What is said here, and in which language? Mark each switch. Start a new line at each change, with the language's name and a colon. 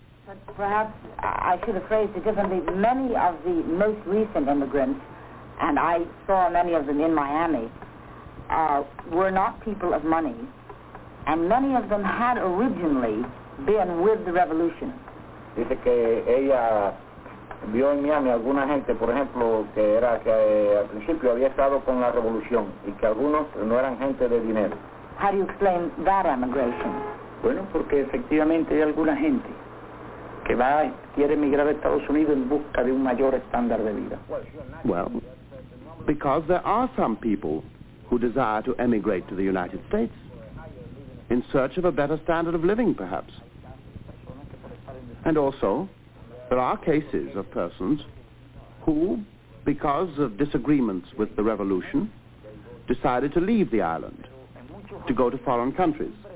English: But perhaps I should have phrased it differently. Many of the most recent immigrants, and I saw many of them in Miami, were not people of money, and many of them had originally been with the revolution.
Spanish: Dice que ella vio en Miami alguna gente, por ejemplo, que era que al principio había estado con la revolución y que algunos no eran gente de dinero.
English: How do you explain that emigration?
Spanish: Bueno, porque efectivamente hay alguna gente que va quiere emigrar a Estados Unidos en busca de un mayor estándar de vida.
English: Well, because there are some people who desire to emigrate to the United States in search of a better standard of living, perhaps. And also, there are cases of persons who, because of disagreements with the revolution, decided to leave the island to go to foreign countries.